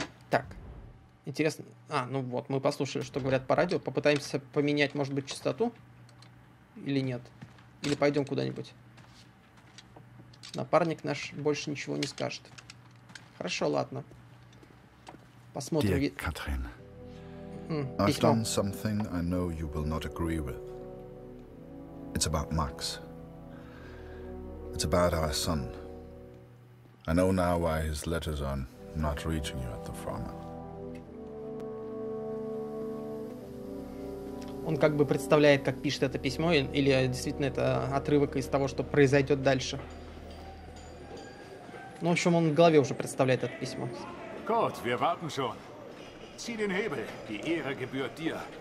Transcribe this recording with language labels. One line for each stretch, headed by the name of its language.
Russian: Так. Интересно. А, ну вот, мы послушали, что говорят по радио. Попытаемся поменять, может быть, частоту? Или нет? Или пойдем куда-нибудь? Напарник наш больше ничего не скажет. Хорошо, ладно. Посмотрим.
English: Dear Katrin, I've done something I know you will not agree with. It's about Max. It's about our son. I know now why his letters are not reaching you at the farmer.
Russian: Он как бы представляет, как пишет это письмо, или действительно это отрывок из того, что произойдет дальше. Ну, в общем, он в голове уже представляет это письмо.
German: Gut, wir warten schon. Zieh den Hebel, die Ehre gebührt dir.